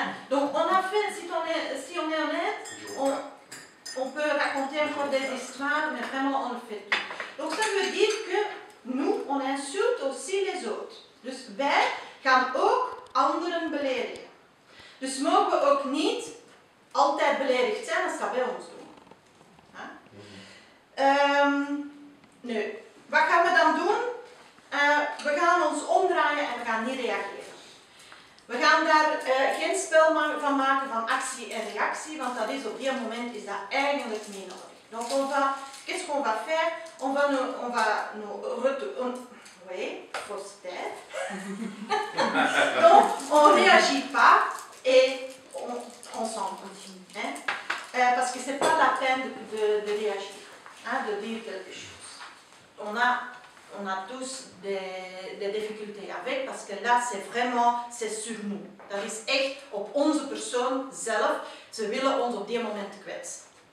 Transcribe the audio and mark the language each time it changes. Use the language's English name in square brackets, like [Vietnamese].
[French] Donc on a fait, si on est honnête, on peut raconter encore des histoires, mais vraiment on le fait. Donc ça veut dire que nous, on insulte aussi les autres. [Dutch] Dus wij gaan ook anderen beledigen. Dus mogen we ook niet altijd beledigd zijn als dat bij ons doen. Ja? Nu, wat gaan we dan doen? We gaan ons omdraaien en we gaan niet reageren. We gaan daar geen spel van maken van actie en reactie, want dat is op dit moment is dat eigenlijk niet nodig. [French] Donc on va, qu'est-ce qu'on va faire? Donc on réagit pas et on s'en continue. Hein? Parce que c'est pas la peine de réagir, hein, de dire quelque chose. On a tous des difficultés avec, parce que là c'est vraiment, c'est sur nous. [Dutch] Dat is echt op onze persoon zelf. Ze willen ons op dit moment kwetsen.